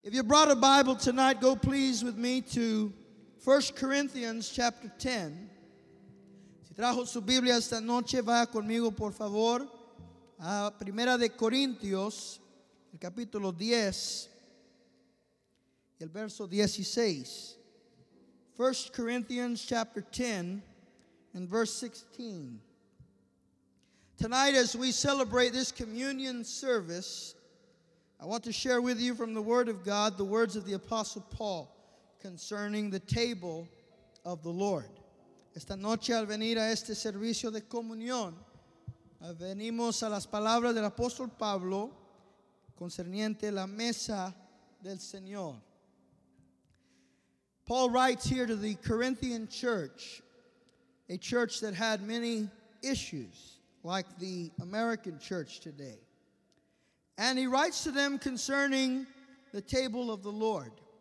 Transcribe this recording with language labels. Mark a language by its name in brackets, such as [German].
[English] If you brought a Bible tonight, go please with me to 1 Corinthians chapter 10. [Spanish] Si trajo su Biblia esta noche, vaya conmigo por favor a 1 de Corintios, el capítulo 10, el verso 16. [English] 1 Corinthians chapter 10 and verse 16. Tonight as we celebrate this communion service, I want to share with you from the Word of God the words of the Apostle Paul concerning the table of the Lord. [Spanish] Esta noche al venir a este servicio de comunión, venimos a las palabras del Apóstol Pablo concerniente la mesa del Señor. [English] Paul writes here to the Corinthian church, a church that had many issues like the American church today. And he writes to them concerning the table of the Lord.